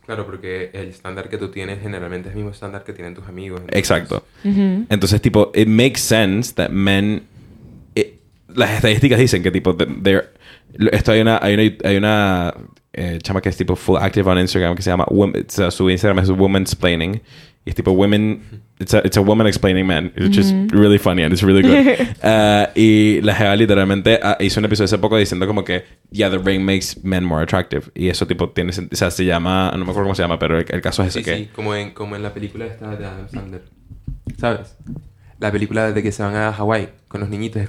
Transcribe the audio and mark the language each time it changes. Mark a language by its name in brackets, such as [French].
[Spanish] Claro, porque el estándar que tú tienes generalmente es el mismo estándar que tienen tus amigos. Entonces. Exacto. Entonces, tipo, [English] it makes sense that men... [Spanish] las estadísticas dicen que, tipo, esto hay una chama que es, tipo, full [English] active on Instagram [Spanish] que se llama... su Instagram es Womansplaining. Y es tipo women... [English] It's a woman explaining men. It's just really funny and it's really good. [Spanish] Y la jeva literalmente hizo un episodio hace poco diciendo como que... [English] Yeah, the ring makes men more attractive. [Spanish] Y eso tipo tiene... O sea, se llama... No me acuerdo cómo se llama, pero el caso es ese que... Sí, como en la película esta de Adam Sandler. ¿Sabes? La película de que se van a Hawái con los niñitos.